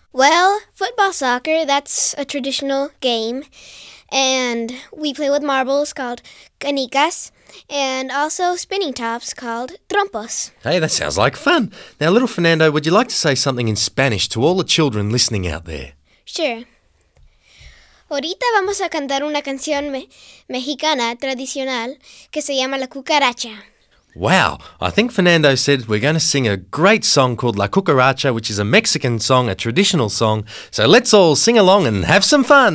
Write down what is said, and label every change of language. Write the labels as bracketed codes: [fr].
[en] Well, football, soccer, that's a traditional game. And we play with marbles called canicas and also spinning tops called trompos. Hey, that sounds like fun. Now, little Fernando, would you like to say something in Spanish to all the children listening out there? Sure. [es] Ahorita vamos a cantar una canción mexicana tradicional que se llama La Cucaracha. [en] Wow, I think Fernando said we're going to sing a great song called La Cucaracha, which is a Mexican song, a traditional song. So let's all sing along and have some fun.